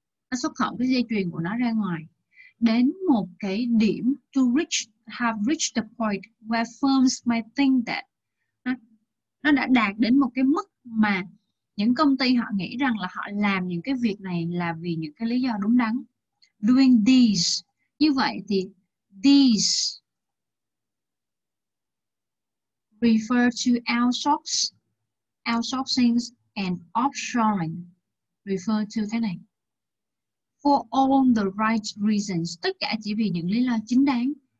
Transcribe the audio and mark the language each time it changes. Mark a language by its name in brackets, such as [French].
[Vietnamese] nó xuất khẩu cái dây chuyền của nó ra ngoài đến một cái điểm, [English] to reach, have reached the point where firms may think that, [Vietnamese] nó đã đạt đến một cái mức mà những công ty họ nghĩ rằng là họ làm những cái việc này là vì những cái lý do đúng đắn. [English] Doing these. [Vietnamese] Như vậy thì [English] these refer to outsourcing and offshoring. Refer to [Vietnamese] thế này. [English] For all the right reasons. [Vietnamese] Tất cả chỉ vì những lý do chính đáng.